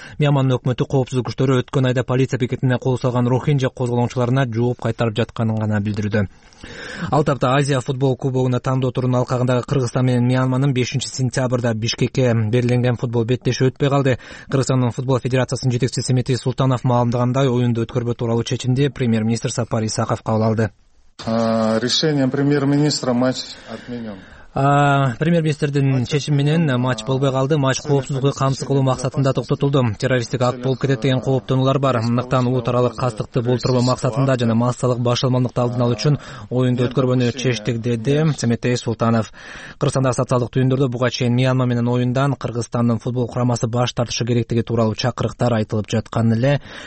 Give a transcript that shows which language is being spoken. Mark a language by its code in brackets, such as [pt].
[ky] Мьянманын өкмөтү коопсуздук күчтөрү өткөн айда полиция бекетине кол салган рохинжа козголоңчуларына жооп кайтарып жатканын гана билдирүүдө. Ал тапта Азия футбол кубогуна тандоо турунун алкагындагы Кыргызстан менен Мьянманын 5-сентябрда Бишкекке берилген футбол беттешүү өтпөй калды. Кыргызстандын футбол федерациясынын жетекчиси Мети Султанов маалымдагандай оюнду өткөрбөө тууралуу чечимди премьер министр Сапар Исаков кабыл алды. [ru] Решением премьер министра матч отменен. [ky] Премьер министрдин чечими менен матч болбой калды. Матч коопсуздукту камсыз кылуу максатында токтотулду. Террористтик акт болуп кетет деген кооптонуулар бар. Андыктан уутаралык кастыкты болтурбоо максатында жана массалык башылмандыкты алдын алуу үчүн оюнду өткөрбөнү чечтик, деди Семетей Султанов. Кыргызстандагы социалдык түйүндөрдө буга чейин Мьянма менен оюндан Кыргызстандын футбол курамасы баш тартышы керектиги тууралуу чакырыктар айтылып жаткан эле.